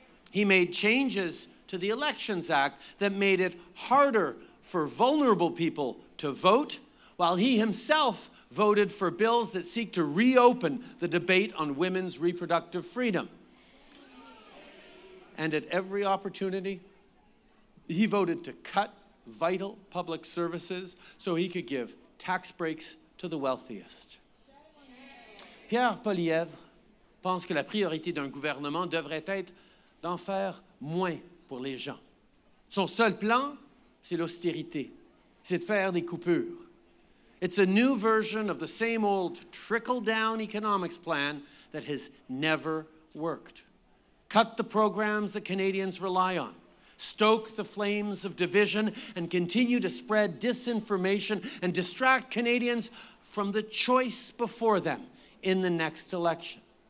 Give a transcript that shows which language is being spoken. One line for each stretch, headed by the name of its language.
English: He made changes to the Elections Act that made it harder for vulnerable people to vote, while he himself voted for bills that seek to reopen the debate on women's reproductive freedom. And at every opportunity, he voted to cut vital public services so he could give tax breaks to the wealthiest.
French: Pierre Poilievre pense que la priorité d'un gouvernement devrait être d'en faire moins pour les gens. Son seul plan, c'est l'austérité. C'est de faire des coupures.
English: It's a new version of the same old trickle-down economics plan that has never worked. Cut the programs that Canadians rely on, stoke the flames of division, and continue to spread disinformation and distract Canadians from the choice before them in the next election.